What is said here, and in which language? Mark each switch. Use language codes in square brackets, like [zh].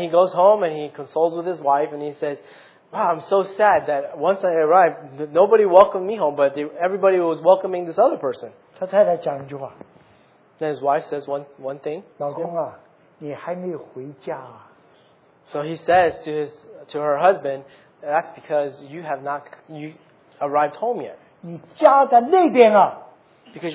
[en] he goes home and he consoles with his wife and he says, wow, I'm so sad that once I arrived, nobody welcomed me home, but everybody was welcoming this other person. Then his wife says one thing. [zh] 老公啊，你还没有回家啊。 [en] So he says to her husband, that's because you have not arrived home yet. [zh] 你家在那边啊。 [en] Because